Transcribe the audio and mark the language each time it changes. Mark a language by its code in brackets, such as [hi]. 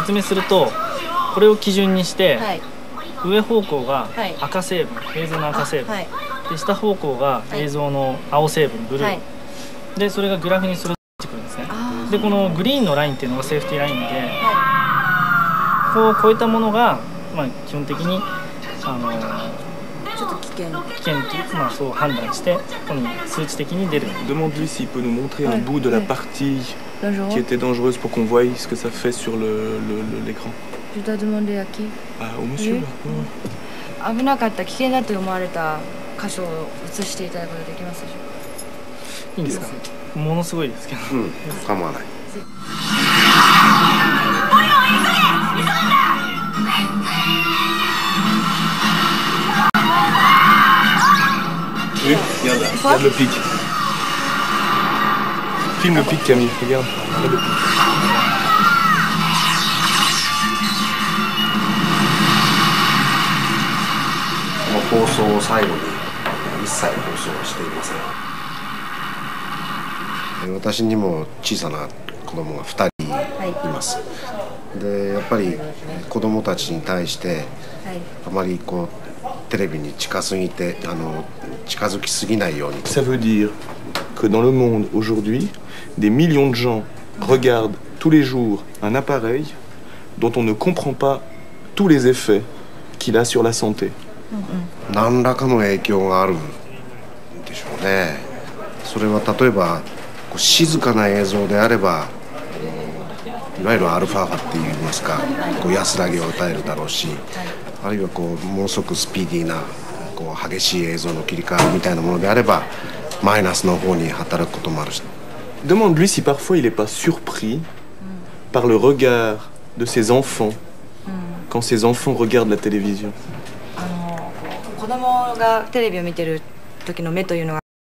[ja] 説明するとこれを基準にして、はい、上方向が赤成分、はい、映像の赤成分、はい、で下方向が映像の青成分、はい、ブルー、はい、でそれがグラフにするで、このグリーンのラインっていうのがセーフティーラインで、こう超えたものが、まあ、基本的にちょっと危険と、まあ、そう判断して、ここに数値的に出る。 [fr] Demande-lui s'il peut nous montrer un bout de la partie qui était dangereuse pour qu'on voie ce que ça fait sur l'écran. Je dois demander à qui? Au monsieur là. [ja] 危なかった、危険だと思われた箇所を写していただくことできますでしょうか？いいんですか？ものすごいですけど。うん、構わない。ポリゴン、急げ！急ぐんだ！え、やだ。やだ、ピック。フィルム、ピック、カミル、やだ。やだ。この放送を最後に、一切放送はしていません。私にも小さな子供が2人います、はい、でやっぱり子供たちに対してあまりこうテレビに近すぎて近づきすぎないように [fr] ça veut dire que dans le monde aujourd'hui des millions de gens regardent tous les jours un appareil dont on ne comprend pas tous les effets qu'il a sur la santé [ja] 何らかの影響があるでしょうねそれは例えば静かな映像であればいわゆるアルファ波っていいますかこう安らぎを与えるだろうしあるいはこうものすごくスピーディーなこう激しい映像の切り替えみたいなものであればマイナスの方に働くこともあるし [fr] Demande-lui si parfois il n'est pas surpris par le regard de ses enfants quand ses enfants regardent la télévision [ja] 子供がテレビを見てる時の目というのは